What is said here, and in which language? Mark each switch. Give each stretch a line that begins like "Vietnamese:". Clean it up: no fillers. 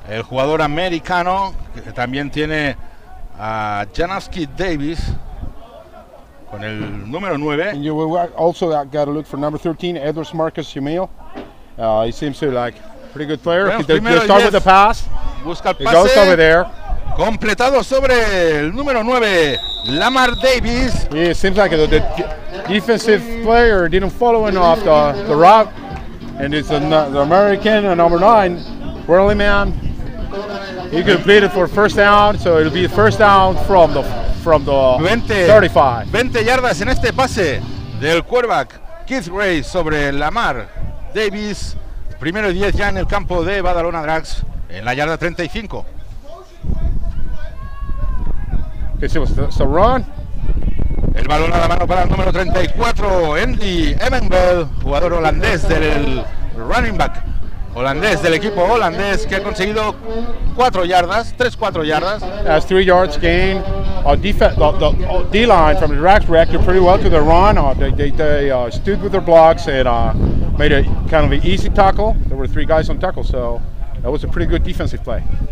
Spanish: El jugador americano que también tiene a Janowski Davis con el número 9.
English: And you will also got to look for number 13, Edwards Marcus Jumeil. He seems to like pretty good player.
Spanish: Bueno,
English: he start with the pass.
Spanish: Busca el pase.
English: He goes over there.
Spanish: Completado sobre el número 9, Lamar Davis.
English: Yeah, it seems like the defensive player didn't follow enough the route. And it's the American, a number 9, Worley man. He completed for first down, so it'll be first down from the 35.
Spanish: 20 yardas en este pase del quarterback Keith Ray sobre Lamar Davis. Primero y 10 ya en el campo de Badalona Drax en la yarda 35. Que se va run. El balón a la mano para el número 34, Andy Evenbel, jugador holandés del running back holandés, del equipo holandés, que ha conseguido 3-4 yardas.
English: Has 3 yards gain. The D-line from the Drax reacted pretty well to the run. They stood with their blocks and made a kind of an easy tackle. There were 3 guys on tackle, so that was a pretty good defensive play.